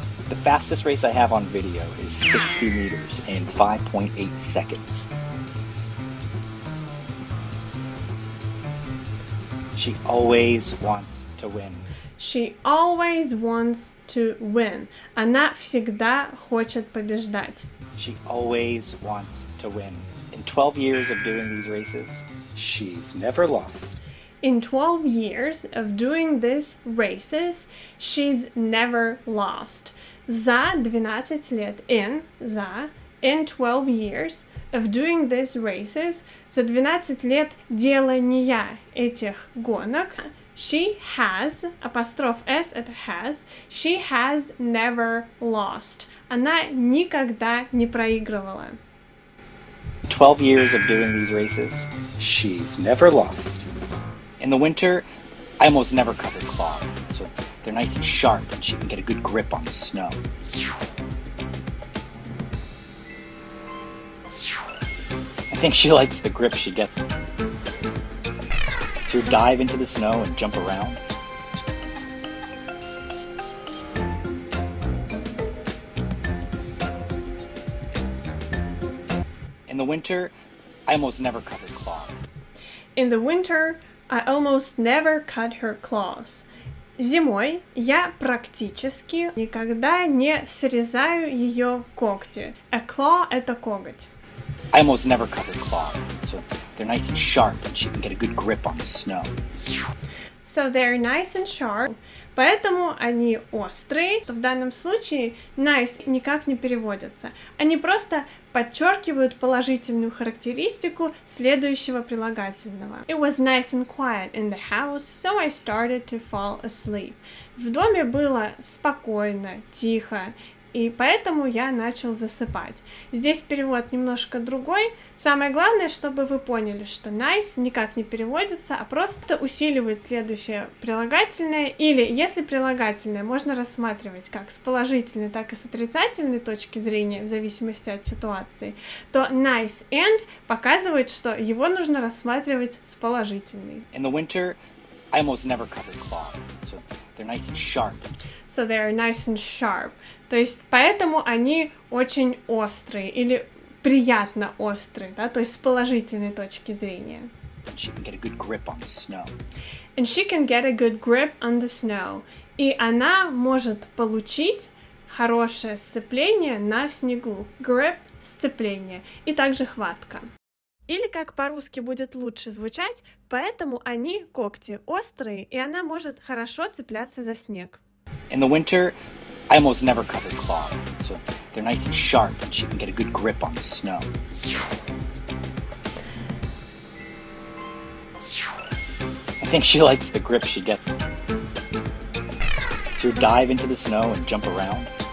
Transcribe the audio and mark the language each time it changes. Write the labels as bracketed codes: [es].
[en] The fastest race I have on video is 60 meters in 5.8 seconds. She always wants to win. She always wants to win. [ru] Она всегда хочет побеждать. [en] She always wants to win. In 12 years of doing these races, she's never lost. In 12 years of doing these races, she's never lost. [ru] За 12 лет, [en] in 12 years of doing these races, [ru] за 12 лет делания этих гонок, [en] she has, [ru] апостроф S, это [en] has, she has never lost. [ru] Она никогда не проигрывала. [en] 12 years of doing these races, she's never lost. In the winter, I almost never cut her claw, so they're nice and sharp and she can get a good grip on the snow. I think she likes the grip she gets. To dive into the snow and jump around. In the winter, I almost never cut her claws. In the winter, I almost never cut her claws. [ru] Зимой я практически никогда не срезаю ее когти. [en] A claw [ru] – это коготь. [en] I almost never cut her claws. They're nice and sharp, and she can get a good grip on the snow. So they're nice and sharp, [ru] поэтому они острые, что в данном случае nice никак не переводится. Они просто подчеркивают положительную характеристику следующего прилагательного. [en] It was nice and quiet in the house, so I started to fall asleep. [ru] В доме было спокойно, тихо. И поэтому я начал засыпать. Здесь перевод немножко другой. Самое главное, чтобы вы поняли, что nice никак не переводится, а просто усиливает следующее прилагательное. Или, если прилагательное, можно рассматривать как с положительной, так и с отрицательной точки зрения, в зависимости от ситуации, то nice and показывает, что его нужно рассматривать с положительной. [en] In the winter, I almost never covered claw, so they're nice and sharp. So they are nice and sharp. [ru] То есть, поэтому они очень острые, или приятно острые, да, то есть с положительной точки зрения. [en] And she can get a good grip on the snow. And she can get a good grip on the snow. [ru] И она может получить хорошее сцепление на снегу. Grip – сцепление. И также хватка. Или как по-русски будет лучше звучать, поэтому они, когти, острые, и она может хорошо цепляться за снег. [en] In the winter, I almost never cover claw, so they're nice and sharp, and she can get a good grip on the snow. I think she likes the grip she gets. She would dive into the snow and jump around.